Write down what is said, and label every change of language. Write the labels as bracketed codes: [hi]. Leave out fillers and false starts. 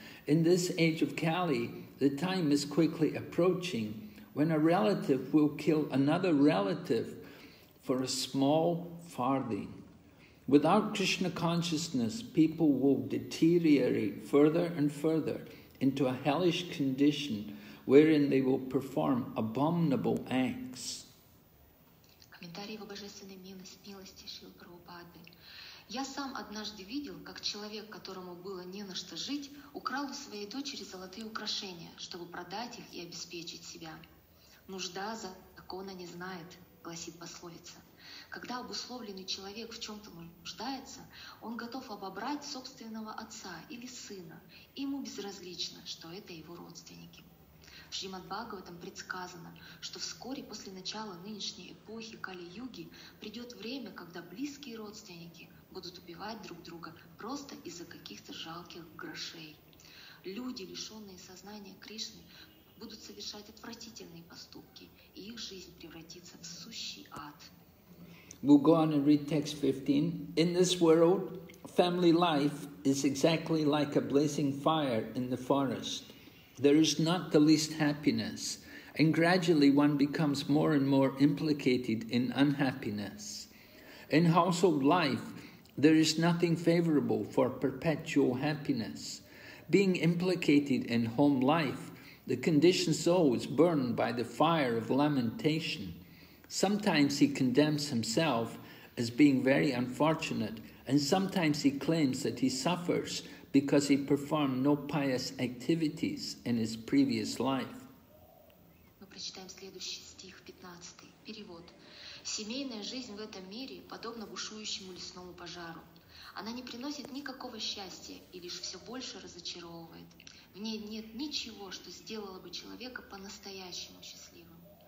[en] In this age of Kali, the time is quickly approaching when a relative will kill another relative for a small farthing. Without Krishna consciousness, people will deteriorate further and further into a hellish condition wherein they will perform abominable acts. [ru] Комментарий во божественной милости Шрилы Прабхупады. Я сам однажды видел, как человек, которому было не на что жить, украл у своей дочери золотые украшения, чтобы продать их и обеспечить себя. Нужда закона не знает, гласит пословица. Когда обусловленный человек в чем-то нуждается, он готов обобрать собственного отца или сына, и ему безразлично, что это его родственники. В Шримад-Бхагаватам предсказано, что вскоре после начала нынешней эпохи Кали-Юги придет время, когда близкие родственники будут убивать друг друга просто из-за каких-то жалких грошей. Люди, лишенные сознания Кришны, будут совершать отвратительные поступки, и их жизнь превратится в сущий ад. [en] We'll go on and read text 15. In this world, family life is exactly like a blazing fire in the forest. There is not the least happiness, and gradually one becomes more and more implicated in unhappiness. In household life, there is nothing favorable for perpetual happiness. Being implicated in home life, the conditioned soul is burned by the fire of lamentation. Sometimes he condemns himself as being very unfortunate, and sometimes he claims that he suffers because he performed no pious activities in his previous life. [ru] Мы прочитаем следующий стих, 15-й. Перевод. Семейная жизнь в этом мире подобна бушующему лесному пожару. Она не приносит никакого счастья и лишь все больше разочаровывает. В ней нет ничего, что сделало бы человека по-настоящему счастливым.